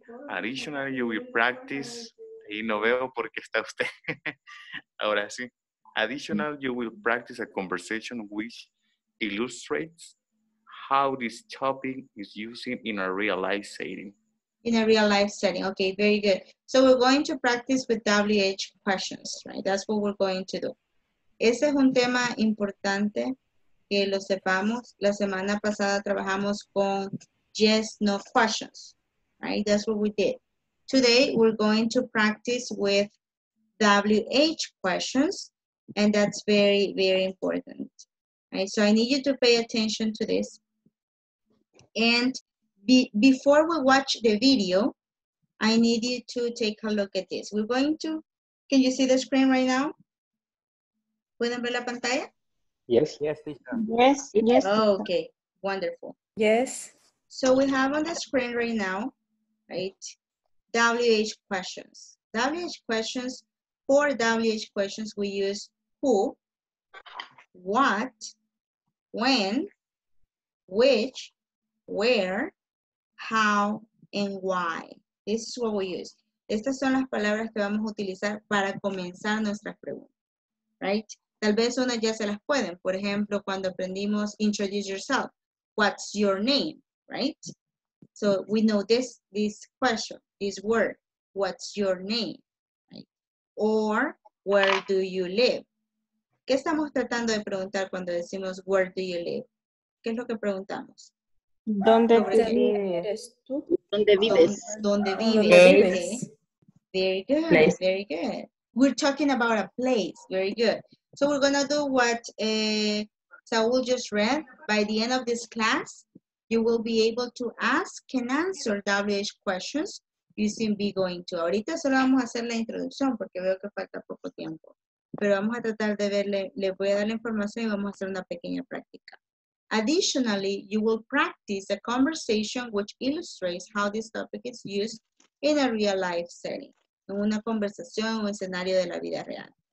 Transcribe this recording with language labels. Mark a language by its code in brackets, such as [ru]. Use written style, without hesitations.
[en] Additionally, you will practice. [es] Y no veo por qué está usted. Ahora sí. [en] Additionally, you will practice a conversation which illustrates how this topic is used in a real life setting. In a real life setting, okay, very good. So we're going to practice with WH questions, right? That's what we're going to do. [es] Ese es un tema importante que lo sepamos. La semana pasada trabajamos con [en] yes, no questions, right? That's what we did. Today, we're going to practice with WH questions, and that's very, very important, right? So I need you to pay attention to this. And before we watch the video, I need you to take a look at this. We're going to, can you see the screen right now? [es] ¿Pueden ver la pantalla? [en] Yes, yes, yes, yes. Oh, okay, wonderful. Yes. So we have on the screen right now, right, WH questions. WH questions, for WH questions, we use who, what, when, which, where, how, and why. This is what we use. [es] Estas son las palabras que vamos a utilizar para comenzar nuestras preguntas, right? Tal vez una ya se las pueden. Por ejemplo, cuando aprendimos [en] introduce yourself, what's your name, right? So we know this question, this word, what's your name, right? Or where do you live? [es] ¿Qué estamos tratando de preguntar cuando decimos [en] where do you live? [es] ¿Qué es lo que preguntamos? ¿Dónde vives tú? ¿Dónde vives? ¿Dónde vives? [en] Very good, place. Very good. We're talking about a place, very good. So we're gonna do what Saul just read. By the end of this class, you will be able to ask and answer WH questions using be going to. [es] Ahorita solo vamos a hacer la introducción porque veo que falta poco tiempo. Pero vamos a tratar de verle, le voy a dar la información y vamos a hacer una pequeña práctica. [en] Additionally, you will practice a conversation which illustrates how this topic is used in a real life setting. [es] En una conversación o escenario de la vida real.